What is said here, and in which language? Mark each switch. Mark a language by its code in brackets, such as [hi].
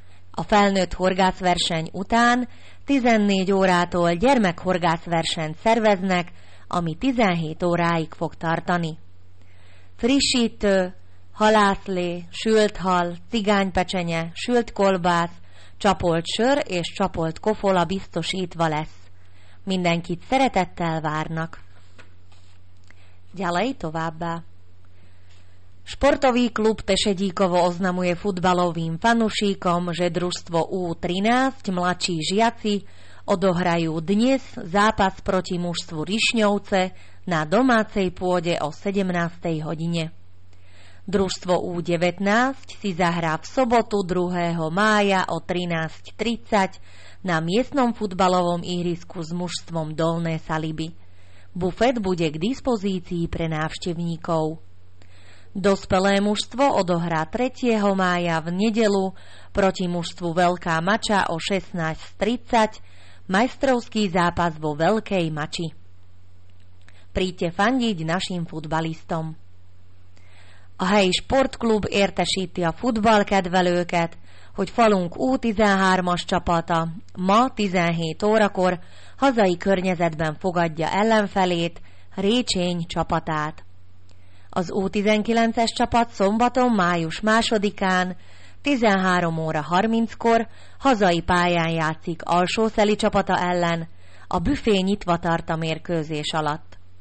[hu] A felnőtt horgászverseny után 14 órától gyermekhorgászversenyt szerveznek, ami 17 óráig fog tartani. Frissítő, halászlé, sült hal, cigánypecsenye, sült kolbász, csapolt sör és csapolt kofola biztosítva lesz. Mindenkit szeretettel várnak. [sk] Ďalej [hu] továbbá. [sk] Športový klub Tešedíkovo oznamuje futbalovým fanušíkom, že družstvo U13 mladší žiaci odohrajú dnes zápas proti mužstvu Rišňovce na domácej pôde o 17. hodine. Družstvo U19 si zahrá v sobotu 2. mája o 13.30 na miestnom futbalovom ihrisku s mužstvom Dolné Saliby. Bufet bude k dispozícii pre návštevníkov. Dospelé mužstvo odohrá 3. mája v nedeľu proti mužstvu Veľká Mača o 16.30 majstrovský zápas vo Veľkej Mači. Príďte fandiť našim futbalistom. [hu] A helyi sportklub értesíti a futballkedvelőket, hogy falunk U13-as csapata ma 17 órakor hazai környezetben fogadja ellenfelét, Récsény csapatát. Az U19-es csapat szombaton május 2-án 13 óra 30-kor hazai pályán játszik Alsószeli csapata ellen a büfé nyitvatarta mérkőzés alatt.